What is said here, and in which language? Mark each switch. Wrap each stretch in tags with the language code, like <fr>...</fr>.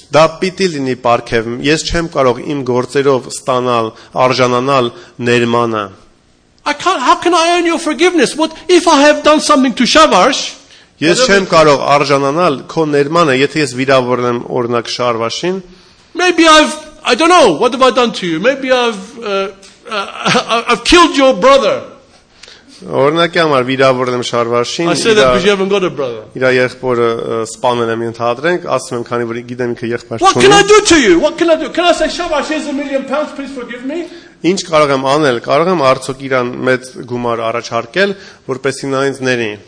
<hy>Դա պիտի լինի պարգև։ Ես չեմ կարող իմ գործերով ստանալ, արժանանալ ներմանը։</hy> <en>How can I earn your forgiveness? What if I have done something to Shavash?</en> <hy>Ես չեմ կարող արժանանալ քո ներմանը, եթե ես վիրավորեմ օրինակ Շարվաշին։</hy> <en>Maybe I don't know, what have I done to you? Maybe I've killed your brother.</en> <hy>Օրինակի համար վիրավորեմ Շարվաշին, իր եղբորը սպանել եմ ընդհատենք, ասում եմ, քանի որ գիտեմ ինքը եղբայր չունի.</hy> <en>What can I do to you? What can I do? Can I say, Shavash, here's £1 million, please forgive me?</en> <hy>Ինչ կարող եմ անել? Կարող եմ արդյոք իրան մեծ գումար առաջարկել, որպեսզի նա ինձ ների։</hy>